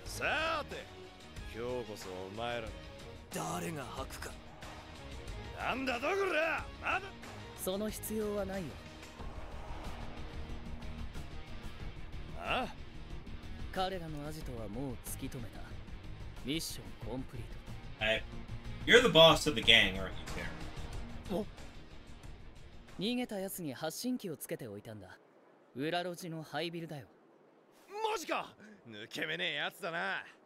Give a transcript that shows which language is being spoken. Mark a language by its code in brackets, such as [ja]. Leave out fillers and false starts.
[ja] さーて、今日こそお前ら… 誰が吐くか。なんだどこら!まだ… その必要はないよ。ああ彼らのアジトはもう突き止めた。ミッションコンプリート。 [en] Hey, you're the boss of the gang, aren't you, Terry? [ja] 逃げた奴に発信機をつけておいたんだ。裏路地のハイビルだよ。マジか!抜け目ねえ奴だな。